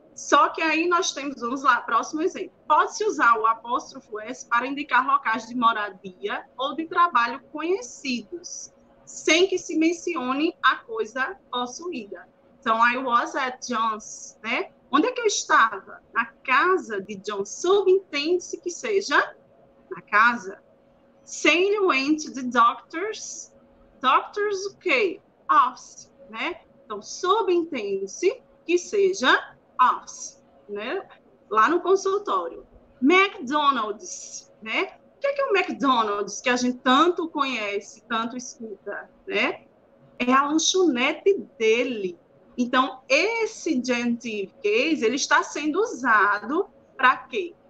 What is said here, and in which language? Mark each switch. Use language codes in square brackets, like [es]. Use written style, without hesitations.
[pt] Só que aí nós temos, vamos lá, próximo exemplo. Pode-se usar o apóstrofo S para indicar locais de moradia ou de trabalho conhecidos, sem que se mencione a coisa possuída. Então, [en] I was at John's, [pt] né? Onde é que eu estava? Na casa de John. Subentende-se que seja na casa. [en] Sally went to the doctor's. [pt] Doctor's o quê? Office, né? Então, subentende-se que seja office, né? Lá no consultório. McDonald's, né? O que é o McDonald's que a gente tanto conhece, tanto escuta, né? É a lanchonete dele. Então, esse genitive case, ele está sendo usado para quê?